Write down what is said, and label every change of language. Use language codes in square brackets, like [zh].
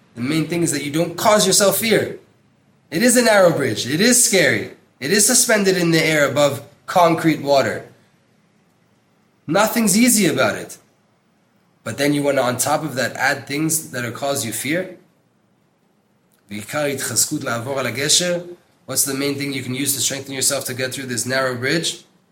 [en] The main thing is that you don't cause yourself fear. It is a narrow bridge. It is scary. It is suspended in the air above concrete water. Nothing's easy about it. But then you want to, on top of that, add things that are cause you fear? [he] בעיקר התחזקות לעבור על הגשר. [en] What's the main thing you can use to strengthen yourself to get through this narrow bridge?